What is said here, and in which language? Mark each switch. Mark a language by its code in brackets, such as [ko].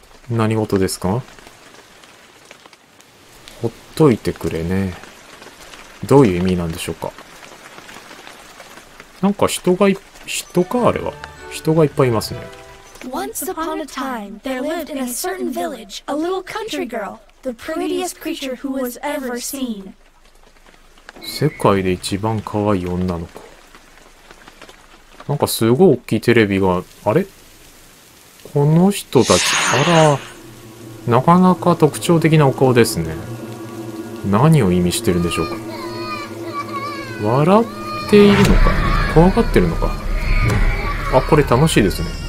[ja] 何事ですか？解いてくれね。どういう意味なんでしょうか。なんか人が人か、あれは人がいっぱいいますね。 [en] Once upon a time, there lived in a certain village a little country girl, the prettiest creature who was ever seen. [ja] 世界で一番可愛い女の子。なんかすごい大きいテレビが、あれ、この人たち、あら、なかなか特徴的なお顔ですね。何を意味してるんでしょうか。笑っているのか、怖がってるのか。あ、これ楽しいですね。